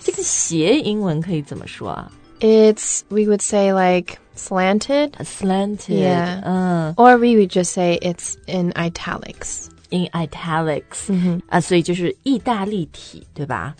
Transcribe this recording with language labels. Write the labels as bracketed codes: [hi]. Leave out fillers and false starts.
[zh] 这个斜英文可以怎么说啊 [en] it's we would say like slanted slanted yeah or we would just say it's in italics in italics,、 mm-hmm. [zh] 啊、所以就是意大利体，对吧？